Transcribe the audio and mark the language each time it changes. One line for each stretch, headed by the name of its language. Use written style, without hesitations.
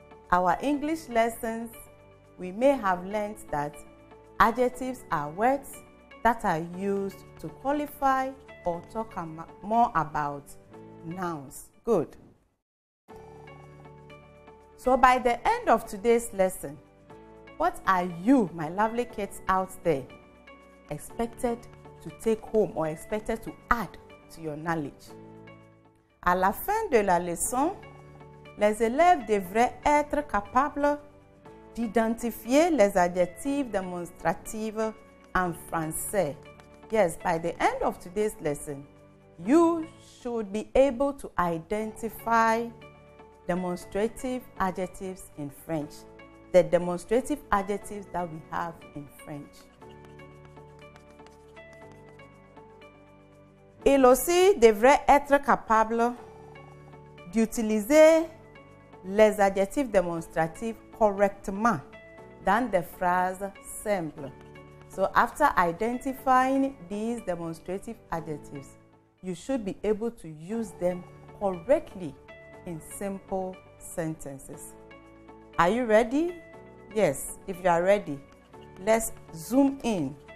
English: Our English lessons, we may have learned that adjectives are words that are used to qualify or talk more about nouns. Good. So by the end of today's lesson, what are you, my lovely kids out there, expected to take home or expected to add to your knowledge?
French: À la fin de la leçon, les élèves devraient être capables d'identifier les adjectifs démonstratifs en français.
English: Yes, by the end of today's lesson, you should be able to identify demonstrative adjectives in French. The demonstrative adjectives that we have in French.
French: Il aussi devrait être capable d'utiliser les adjectifs démonstratifs correctement dans des phrases simples.
English: So after identifying these demonstrative adjectives, you should be able to use them correctly in simple sentences. Are you ready? Yes, if you are ready, let's zoom in.